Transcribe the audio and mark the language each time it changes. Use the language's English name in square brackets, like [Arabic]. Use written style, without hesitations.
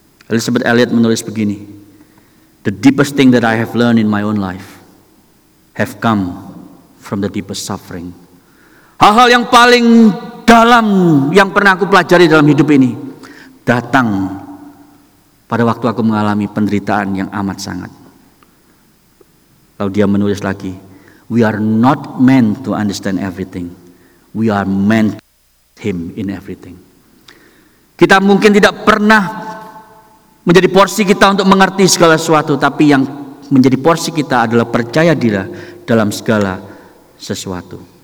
[Indonesian] Elizabeth Elliot menulis begini, [English] the deepest thing that I have learned in my own life have come from the deepest suffering. [Indonesian] Hal-hal yang paling dalam yang pernah aku pelajari dalam hidup ini datang pada waktu aku mengalami penderitaan yang amat sangat. Lalu dia menulis lagi, [English] we are not meant to understand everything. We are meant to trust him in everything. [Indonesian] Kita mungkin tidak pernah menjadi porsi kita untuk mengerti segala sesuatu, tapi yang menjadi porsi kita adalah percaya diri dalam segala sesuatu.